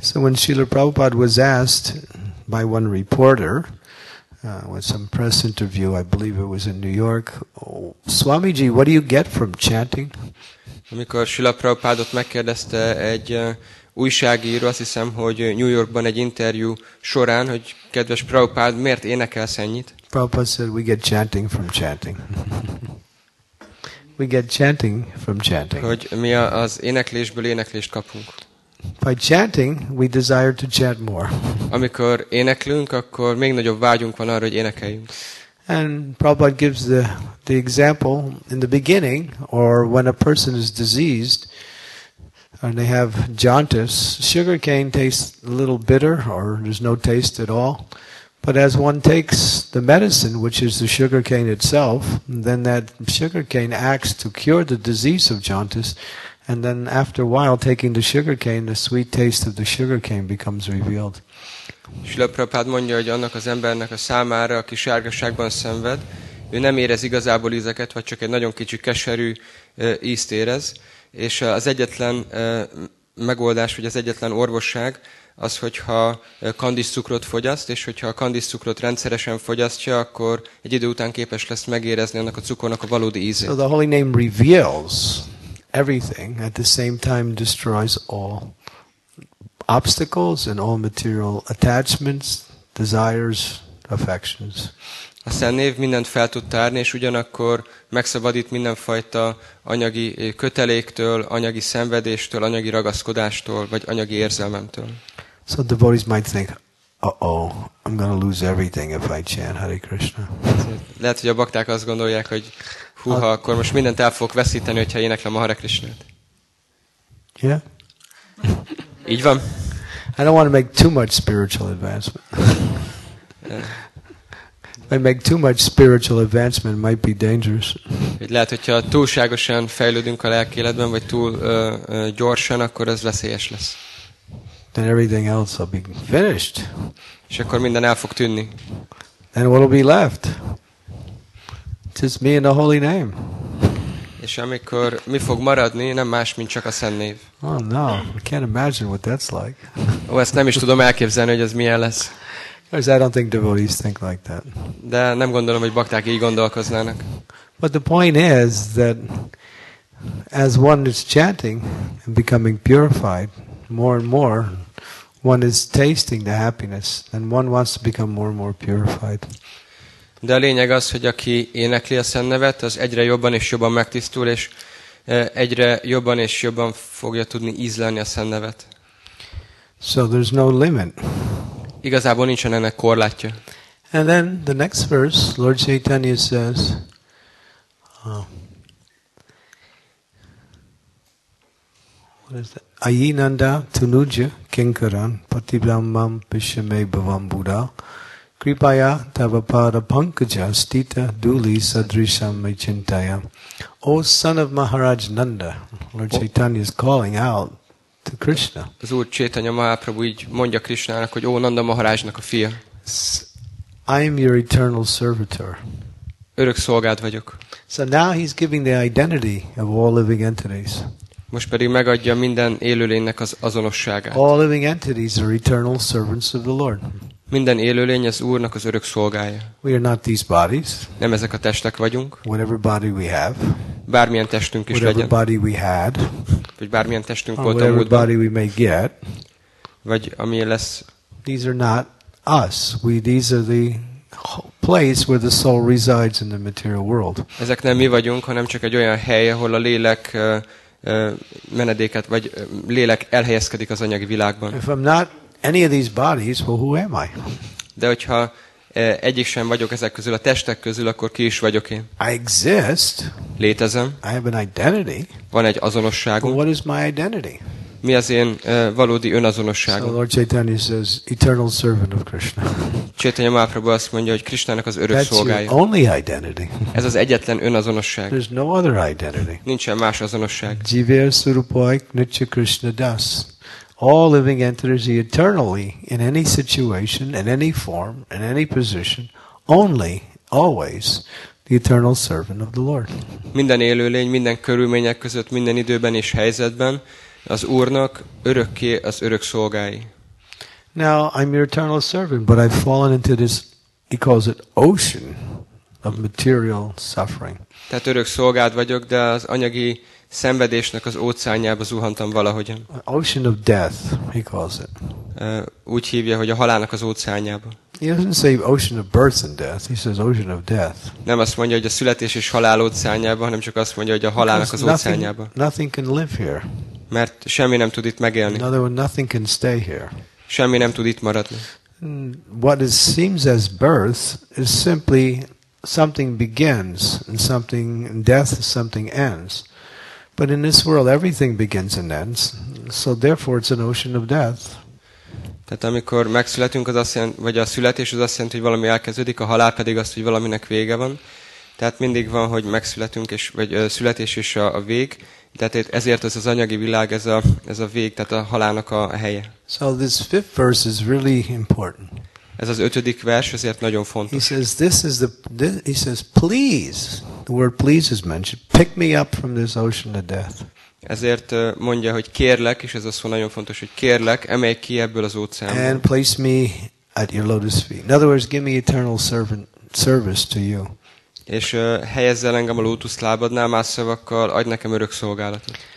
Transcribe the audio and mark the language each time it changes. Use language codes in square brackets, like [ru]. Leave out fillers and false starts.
[en] So when Srila Prabhupada was asked by one reporter, with some press interview, I believe it was in New York, Swamiji, what do you get from chanting? [hu] Amikor Srila Prabhupádot megkérdezte egy újságíró, azt hiszem, hogy New Yorkban egy interjú során, hogy kedves Prabhupád, miért énekelsz ennyit? [en] Prabhupada said, we get chanting from chanting. We get chanting from chanting. [hu] Hogy mi az éneklésből éneklést kapunk. [en] By chanting, we desire to chant more. [hu] Amikor éneklünk, akkor még nagyobb vágyunk van arra, hogy énekeljünk. [en] And Prabhupada gives the example in the beginning, or when a person is diseased and they have jaundice, sugar cane tastes a little bitter, or there's no taste at all. But as one takes the medicine, which is the sugar cane itself, then that sugar cane acts to cure the disease of jaundice. And then after a while taking the sugar cane, the sweet taste of the sugar cane becomes revealed. [hu] Srila Prabhupád mondja, hogy annak az embernek a számára, aki sárgaságban szenved, ő nem érez igazából ízeket, vagy csak egy nagyon kicsi keserű ízt érez. És az egyetlen megoldás, vagy az egyetlen orvosság, az, hogyha kandiszcukrot fogyaszt, és hogyha a kandiszcukrot rendszeresen fogyasztja, akkor egy idő után képes lesz megérezni annak a cukornak a valódi ízét. [en] So the holy name reveals everything, at the same time destroys all obstacles and all material attachments, desires, affections. [hu] A Szent Név mindent fel tud tárni, és ugyanakkor megszabadít mindenfajta anyagi köteléktől, anyagi szenvedéstől, anyagi ragaszkodástól, vagy anyagi érzelmemtől. [en] So devotees might think, uh-oh, I'm going to lose everything if I chant Hare Krishna. [hu] Lehet, hogy a bakták azt gondolják, hogy húha, akkor most mindent el fogok veszíteni, hogyha éneklem a Hare Krishnát. [en] Yeah? [hu] Így van. [en] I don't want to make too much spiritual advancement. I make too much spiritual advancement might be dangerous. [hu] Lehet, hogyha túlságosan fejlődünk a lelki életben, vagy túl gyorsan, akkor ez veszélyes lesz. [en] Then everything else will be finished. [hu] És akkor minden el fog tűnni. [en] Then what will be left? Just me and the holy name. [hu] És amikor mi fog maradni, nem más, mint csak a Szent Név. [en] Oh no, I can't imagine what that's like. [hu] Ó, ezt nem is tudom elképzelni, hogy ez milyen lesz. [en] Because I don't think devotees think like that. [hu] De nem gondolom, hogy bakták így gondolkoznának. [en] But the point is that as one is chanting and becoming purified, more and more one is tasting the happiness and one wants to become more and more purified. [hu] De a lényeg az, hogy aki énekli a Szent Nevet, az egyre jobban és jobban megtisztul, és egyre jobban és jobban fogja tudni ízlelni a Szent Nevet. [en] So there's no limit. [hu] Igazából nincsen ennek korlátja. [en] And then the next verse, Lord Chaitanya says, [sa] Ayi nanda tunuja kinkaran patibhamam pishame bhavam buddha kripaya tavapara pankaja stita duli sadrisham mechintaya. [en] O son of Maharaj Nanda, Lord Chaitanya is calling out to Krishna. [hu] Az Úr Chaitanya Mahaprabhu így mondja Krishnának, hogy ó Nanda Maharajnak a fia. [en] I am your eternal servitor. [hu] örök szolgád vagyok. [en] So now he's giving the identity of all living entities. [hu] Most pedig megadja minden élőlénynek az azonosságát. [en] All living entities are eternal servants of the Lord. [hu] Minden élőlény az Úrnak az örök szolgája. [en] We are not these bodies. [hu] Nem ezek a testek vagyunk. [en] Whatever body we have. [hu] Bármilyen testünk is legyen. [en] Whatever body we had. [hu] Vagy bármilyen testünk volt a múltban. [en] Body we may get. [hu] Vagy ami lesz. [en] These are not us. These are the place where the soul resides in the material world. [hu] Ezek nem mi vagyunk, hanem csak egy olyan hely, ahol a lélek menedéket vagy lélek elhelyezkedik az anyagi világban. [en] If I'm not any of these bodies, well, who am I? [hu] De hogyha egyik sem vagyok ezek közül, a testek közül, akkor ki is vagyok én? [en] I exist. [hu] Létezem. [en] I have an identity. [hu] Van egy azonosságom. [en] But what is my identity? [hu] Mi az én valódi önazonosságom? [en] So Lord Chaitanya says, eternal servant of Krishna. [hu] Chaitanya Mahaprabhu azt mondja, hogy Krishnának az örök szolgája. [en] That's your only identity. [hu] Ez az egyetlen önazonosság. [en] There's no other identity. [hu] Nincsen más azonosság. [bn] Jivir surupaik nitya Krishna das. [en] All living entities are eternally in any situation, in any form, in any position, only, always, the eternal servant of the Lord. [hu] Minden élőlény, minden körülmények között, minden időben és helyzetben az Úrnak örökké az örök szolgái. [en] Now, I'm your eternal servant, but I've fallen into this, he calls it ocean of material suffering. [hu] Tehát örök szolgád vagyok, de az anyagi szenvedésnek az óceánjába zuhantam valahogyan. [en] Ocean of death, he calls it. [hu] Úgy hívja, hogy a halálnak az óceánjába. [en] He doesn't say ocean of birth and death. He says ocean of death. [hu] Nem azt mondja, hogy a születés és halál óceánjába, hanem csak azt mondja, hogy a halálnak az óceánjába. [en] Nothing can live here. [hu] Mert semmi nem tud itt megélni. [en] In other words, nothing can stay here. [hu] Semmi nem tud itt maradni. [en] What it seems as birth is simply something begins and something death is something ends. But in this world everything begins and ends, so therefore it's an ocean of death. [hu] Tehát amikor megszületünk, az azt jelenti, vagy a születés az azt jelenti, hogy valami elkezdődik, a halál pedig azt, hogy valaminek vége van. Tehát mindig van, hogy megszületünk és vagy születés és a vég. Tehát ezért ez az anyagi világ, ez a vég, tehát a halálnak a helye. [en] So this fifth verse is really important. [hu] Ez az ötödik vers, ezért nagyon fontos. [en] He says this is he says please. The word please is mentioned. Pick me up from this ocean of death. [hu] Ezért mondja, hogy kérlek, és ez a szó nagyon fontos, hogy kérlek, emelj ki ebből az óceánból. [en] And place me at your lotus feet. In other words, give me eternal servant service to you. [hu] És helyezz el engem a lótusz lábadnál, más szavakkal, adj nekem örök szolgálatot.